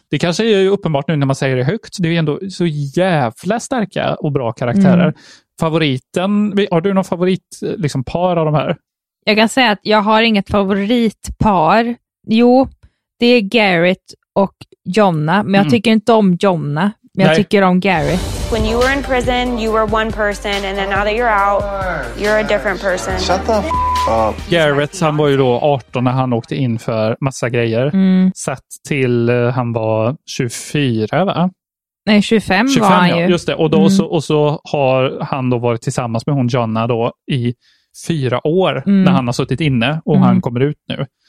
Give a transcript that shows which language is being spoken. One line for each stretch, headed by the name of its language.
Swedish: Det kanske är ju uppenbart nu när man säger det högt. Det är ju ändå så jävla starka och bra karaktärer. Mm. Favoriten, har du någon favorit liksom, par av de här? Jag kan säga att jag har inget favoritpar. Jo, det är Garrett och Jonna. Men jag tycker inte om Jonna. Men jag tycker om Garrett.
English: When you were in prison, you were one person, and then now that you're out, you're a different person. Shut the f*** up.
Swedish: Garrett, han var ju då 18 när han åkte in för massa grejer. Mm. Satt till han var 24, va? Nej, 25, 25 var han ja, ju. Just det, och, då så har han då varit tillsammans med hon, Jonna, då i 4 år när han har suttit inne och han kommer ut nu.